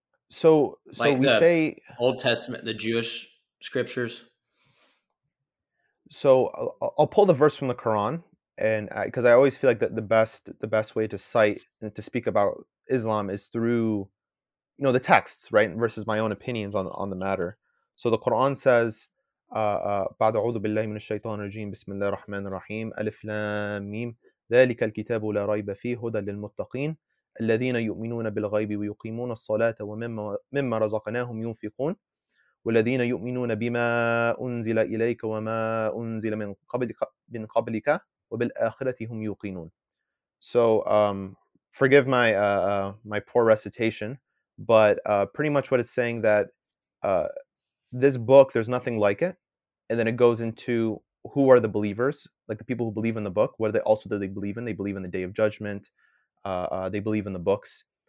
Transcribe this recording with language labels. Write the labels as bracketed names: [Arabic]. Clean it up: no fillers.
[English] So we say Old Testament, the Jewish scriptures. So I'll pull the verse from the Quran, and because I always feel like the best way to cite and to speak about Islam is through, you know, the texts, right? Versus my own opinions on the matter. So the Quran says, [Arabic] بعد أعوذ بالله من الشيطان الرجيم بسم الله الرحمن الرحيم ألف لام ميم ذلك الكتاب لا ريب فيه هدى للمتقين الذين يؤمنون بالغيب ويقيمون الصلاة ومما رزقناهم ينفقون والذين يؤمنون بما أنزل إليك وما أنزل من قبلك وبالآخرة هم يوقنون. [English] So forgive my my poor recitation, but pretty much what it's saying that this book, there's nothing like it. And then it goes into who are the believers, like the people who believe in the book. What are they also do they believe in? They believe in the Day of Judgment. They believe in the books.